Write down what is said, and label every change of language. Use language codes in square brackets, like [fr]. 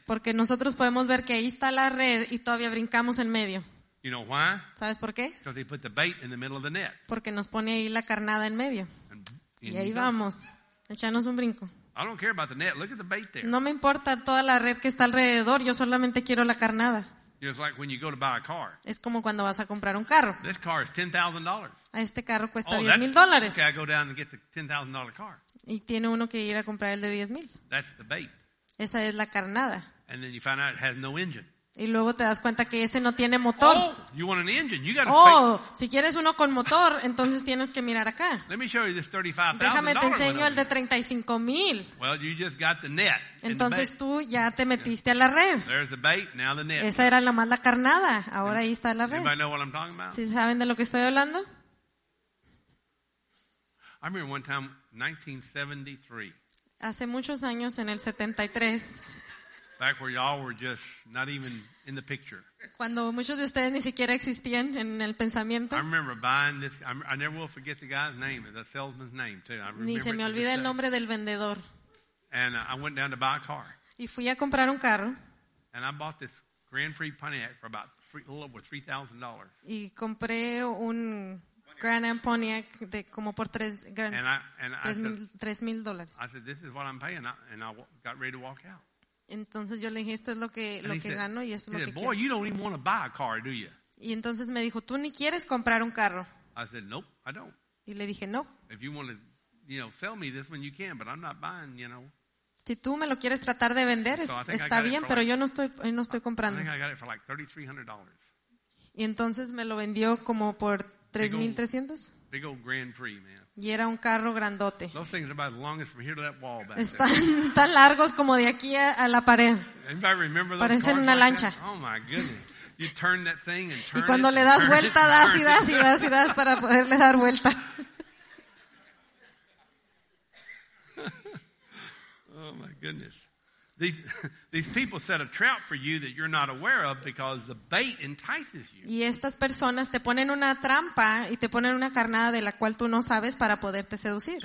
[es] Porque nosotros podemos ver que ahí está la red y todavía brincamos en medio. [en] You know why? [es] ¿Sabes por qué? [en] Because they put the bait in the middle of the net. [es] Porque nos pone ahí la carnada en medio. Y ahí vamos. Échanos un brinco. [en] I don't care about the net. Look at the bait there. [es] No me importa toda la red que está alrededor. Yo solamente quiero la carnada. [en] It's like when you go to buy a car. [es] Es como cuando vas a comprar un carro. [en] This car is $10,000. [es] A este carro cuesta $10,000. [en] Okay, I go down and get the $10,000 car. [es] Y tiene uno que ir a comprar el de $10,000. [en] That's the bait. [es] Esa es la carnada. [en] And then you find out it has no engine. [es] Y luego te das cuenta que ese no tiene motor. [en] Oh, you want an engine. You gotta [es] si quieres uno con motor, entonces tienes que mirar acá. [en] Let me show you this $35,000. [es] Déjame te enseño el de $35,000. [en] Well, you just got the net. [es] Entonces tú ya te metiste a la red. [en] There's the bait, now the net. [es] Esa era la mala carnada. Ahora ahí está la red. [en] Anybody know what I'm talking about? [es] ¿Sí saben de lo que estoy hablando? [en] I remember one time, 1973. [es] Hace muchos años, en el 73. [en] Back where y'all were just not even in the picture. [es] Cuando muchos de ustedes ni siquiera existían en el pensamiento. [en] I remember buying this. I never will forget the guy's name, the salesman's name too. I remember. [es] Ni se me olvida el nombre del vendedor. [en] And I went down to buy a car. [es] Y fui a comprar un carro. [en] And I bought this Grand Prix Pontiac for about a little over $3,000. [es] Y compré un Grand Am Pontiac de como por $3,000. [en] I said, "This is what I'm paying," and I got ready to walk out. [es] Entonces yo le dije, esto es lo que gano y eso es lo que quiero. [en] You don't even want to buy a car, do you? [es] Y entonces me dijo, tú ni quieres comprar un carro. [en] I said, nope, I don't. [es] Y le dije, no. [en] If you want to, you know, sell me this one, you can, but I'm not buying, you know. [es] Si tú me lo quieres tratar de vender, está bien, pero yo no estoy comprando. [en] I think I got it for like $3,300. [es] Y entonces me lo vendió como por $3,300. [en] Big old Grand Prix, man. [es] Y era un carro grandote. [en] Those things are about as long as from here to that wall back. [es] Están tan largos como de aquí a la pared. [en] Anybody remember those? [es] Parecen [en] cars [es] una [en] like [es] lancha. [en] That? Oh my goodness! You turn that thing and turn. [es] Y cuando [en] it, [es] le das vuelta, das y das y das y das para poderle dar vuelta. [en] Oh my goodness! These people set a trap for you that you're not aware of because the bait entices you. [es] Y estas personas te ponen una trampa y te ponen una carnada de la cual tú no sabes para poderte seducir.